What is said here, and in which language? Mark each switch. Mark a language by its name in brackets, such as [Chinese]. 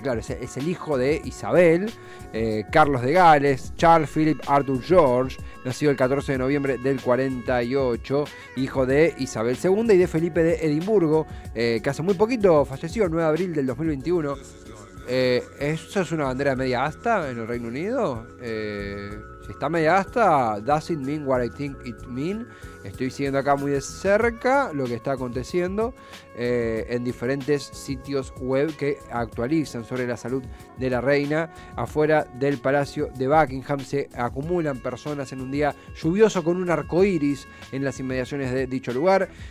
[Spanish] Claro, es el hijo de Isabel, Carlos de Gales, Charles Philip Arthur George, nacido el 14 de noviembre del 48, hijo de Isabel II y de Felipe de Edimburgo, que hace muy poquito falleció, el 9 de abril del 2021. ¿Eso es una bandera media asta en el Reino Unido? Si está media asta, [English] does it mean what I think it mean? [Spanish] Estoy siguiendo acá muy de cerca lo que está aconteciendo en diferentes sitios web que actualizan sobre la salud de la reina. Afuera del Palacio de Buckingham se acumulan personas en un día lluvioso con un arco iris en las inmediaciones de dicho lugar.